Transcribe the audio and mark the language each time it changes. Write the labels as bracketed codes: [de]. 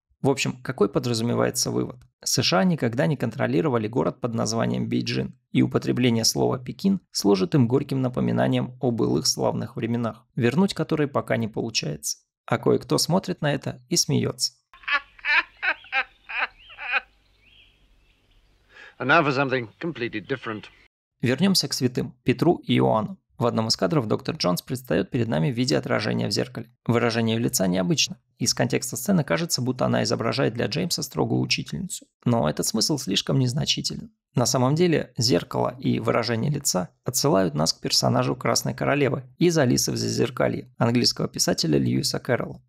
[ru] В общем, какой подразумевается вывод? США никогда не контролировали город под названием Бейджин, и употребление слова «Пекин» служит им горьким напоминанием о былых славных временах, вернуть которые пока не получается. А кое-кто смотрит на это и смеется. [en] And now for something completely different. [ru] Вернемся к святым – Петру и Иоанну. В одном из кадров доктор Джонс предстает перед нами в виде отражения в зеркале. Выражение ее лица необычно. Из контекста сцены кажется, будто она изображает для Джеймса строгую учительницу. Но этот смысл слишком незначителен. На самом деле, зеркало и выражение лица отсылают нас к персонажу Красной Королевы из «Алисы в Зазеркалье» английского писателя Льюиса Кэрролла.